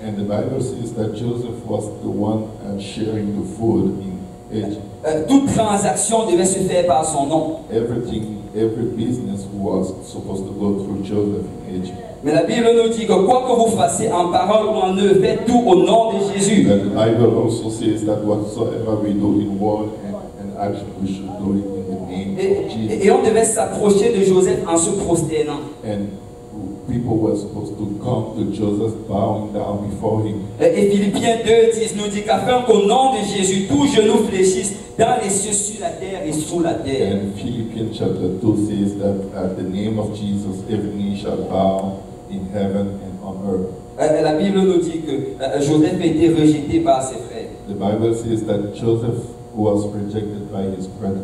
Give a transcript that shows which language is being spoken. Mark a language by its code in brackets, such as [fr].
[en] And the Bible says that Joseph was the one sharing the food in Egypt. [fr] Toute transaction devait se faire par son nom. [en] Everything, every business was supposed to go through Joseph in Egypt. [fr] Mais la Bible nous dit que quoi que vous fassiez en parole ou en œuvre, faites tout au nom de Jésus. [en] And the Bible also says that whatsoever we do in word and action, we should do it in the name of Jesus. [fr] Et on devait s'approcher de Joseph en se prosternant. [en] And people were supposed to come to Joseph bowing down before him. [fr] Et Philippiens 2:10 nous dit qu'afin qu'au nom de Jésus tous genoux fléchissent dans les cieux, sur la terre et sous la terre. [en] And Philippians chapter 2 says that at the name of Jesus every knee shall bow in heaven and on earth. [fr] La Bible nous dit que Joseph a été rejeté par ses frères. [en] The Bible says that Joseph was rejected by his brethren.